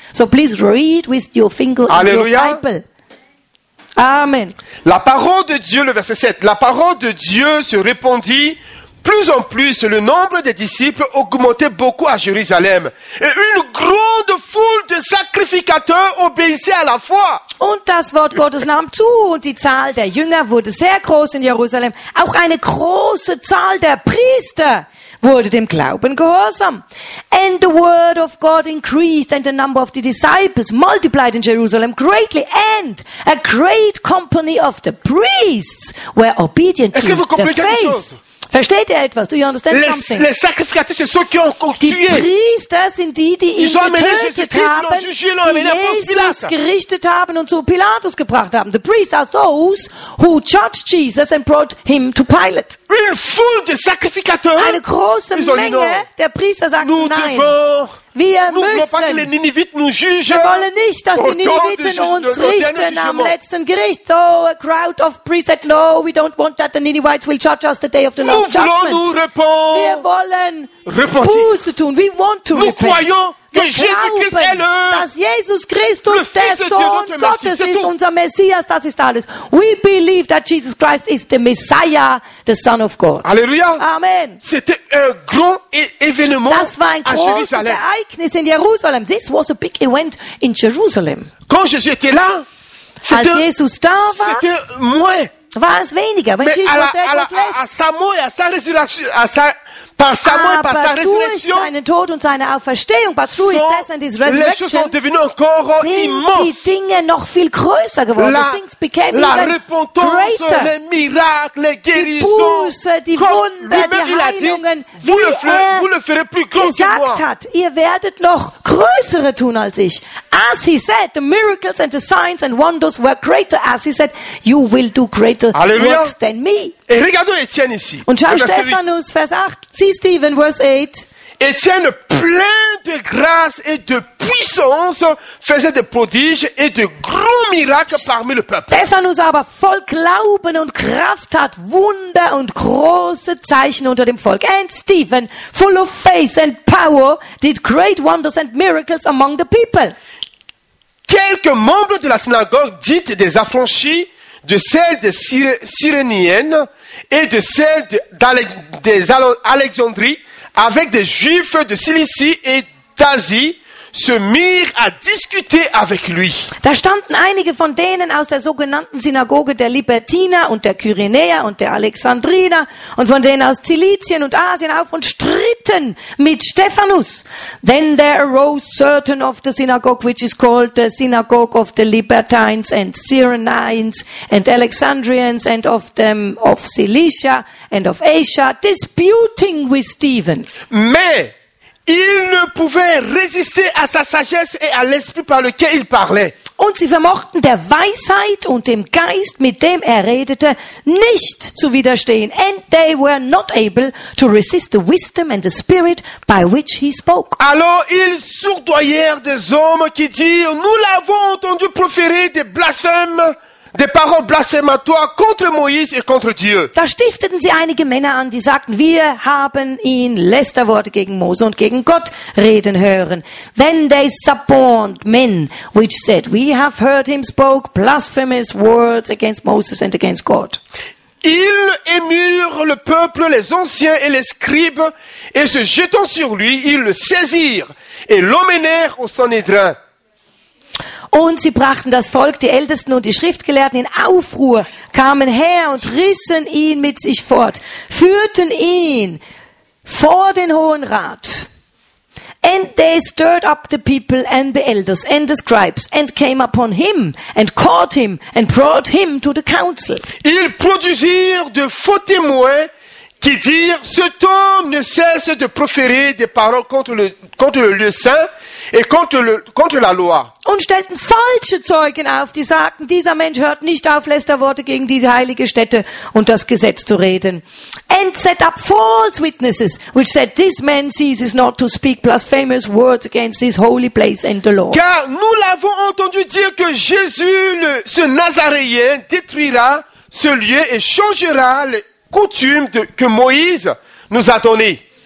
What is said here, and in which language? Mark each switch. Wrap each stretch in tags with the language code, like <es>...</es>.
<en>So please read with your finger in your Bible. Amen.</en> <fr>La parole de Dieu, le verset 7. La parole de Dieu se répandit. Plus en plus, le nombre des disciples augmentait beaucoup à Jérusalem. Et une grande foule de sacrificateurs obéissait à la foi.</fr> <de>Und das Wort Gottes nahm zu und die Zahl der Jünger wurde sehr groß in Jerusalem. Auch eine große Zahl der Priester wurde dem Glauben gehorsam.</de> <en>And the word of God increased and the number of the disciples multiplied in Jerusalem greatly. And a great company of the priests were obedient to the faith.</en> <fr>Est-ce que vous comprenez quelque chose?</fr> <de>Versteht ihr etwas?</de> <en>Do you understand something?</en> <fr>Les sacrificateurs, c'est ceux qui ont tué.</fr> <de>Die Priester sind die, die ihn getötet haben, Jesus gerichtet haben und zu Pilatus gebracht haben.</de> <en>The priests are those who judged Jesus and brought him to Pilate.</en> <fr>Une foule de sacrificateurs.</fr> <de>Eine große Menge der Priester sagten</de> <fr>nous</fr> <de>nein. Wir wollen nicht, dass die Niniviten uns richten am letzten Gericht.</de> <en>So a crowd of priests said, no, we don't want that the Ninivites will judge us the day of the last judgment.</en> <de>Wir wollen Buße tun.</de> <en>We want to repent.</en> <de>Dass Jesus Christus der Sohn Gottes ist, unser Messias, das ist alles.</de> <en>We believe that Jesus Christ is the Messiah, the Son of God. Alleluia. Amen.</en> <fr>C'était un grand événement.</fr> <de>Das war ein großes Ereignis in Jerusalem.</de> <en>This was a big event in Jerusalem.</en> <fr>Quand Jésus était là,</fr> <de>als Jesus da war,</de> <fr>c'était moins.</fr> <de>War es weniger. Wenn Jesus was lässt.</de> <fr>À sa mort et à sa résurrection, à sa par sa mort,</fr> <de>aber</de> <fr>par sa</fr> <de>durch seinen Tod und seine Auferstehung,</de> <en>but through his death and his resurrection,</en> <de>sind die Dinge noch viel größer geworden.</de> <fr>La,</fr> <en>the things became la even greater.</en> <fr>Les miracles, les guérisons,</fr> <de>die Buße, die Wunder, die Heilungen, wie er gesagt hat, ihr werdet noch größere tun als ich.</de> <en>As he said, the miracles and the signs and wonders were greater. As he said, you will do greater Alleluia. Works than me.</en> <fr>Et regardons Étienne ici.</fr> <de>Und schau Stephanus, Vers 8.</de> <en>See Stephen, verse 8.</en> <fr>Étienne, plein de grâce et de puissance, faisait des prodiges et de grands miracles parmi le peuple.</fr> <de>Stephanus aber voll Glauben und Kraft hat Wunder und große Zeichen unter dem Volk.</de> <en>And Stephen, full of faith and power, did great wonders and miracles among the people.</en> <fr>Quelques membres de la synagogue dite des affranchis, de celle des Cyréniennes et de celle d'Alexandrie, avec des Juifs de Cilicie et d'Asie, se mirent à discuter avec lui.</fr> <de>Da standen einige von denen aus der sogenannten Synagoge der Libertiner und der Kyrenäer und der Alexandriner und von denen aus Zilizien und Asien auf und stritten mit Stephanus.</de> <en>Then there arose certain of the synagogue, which is called the synagogue of the Libertines and Cyrenians and Alexandrians and of them of Cilicia and of Asia, disputing with Stephen.</en> <fr>Mais ils ne pouvaient résister à sa sagesse et à l'esprit par lequel il parlait.</fr> <de>Und sie vermochten der Weisheit und dem Geist, mit dem redete, nicht zu widerstehen.</de> <en>And they were not able to resist the wisdom and the spirit by which he spoke.</en> <fr>Alors ils sourdoyèrent des hommes qui dirent, nous l'avons entendu proférer des blasphèmes. Des paroles blasphématoires contre Moïse et contre Dieu.</fr> <de>Da stifteten sie einige Männer an, die sagten, wir haben ihn Lästerworte gegen Mose und gegen Gott reden hören.</de> <en>Then they suborned men, which said, we have heard him spoke blasphemous words against Moses and against God.</en> <fr>Ils émurent le peuple, les anciens et les scribes, et se jetant sur lui, ils le saisirent et l'emmenèrent au Sanhédrin.</fr> <de>Und sie brachten das Volk, die Ältesten und die Schriftgelehrten in Aufruhr, kamen her und rissen ihn mit sich fort, führten ihn vor den Hohen Rat.</de> <en>And they stirred up the people and the elders and the scribes and came upon him and caught him and brought him to the council.</en> <fr>Ils produisirent de faux témoins qui dirent, cet homme ne cesse de proférer des paroles contre le lieu saint et contre la loi.</fr> <de>Und stellten falsche Zeugen auf, die sagten, dieser Mensch hört nicht auf, Lästerworte gegen diese heilige Stätte und das Gesetz zu reden.</de> <en>and set up false witnesses, which said, this man ceases not to speak blasphemous words against this holy place and the Lord.</en> <fr>Car nous l'avons entendu dire que Jésus, ce Nazaréen, détruira ce lieu et changera les coutumes que Moïse nous a données.</fr>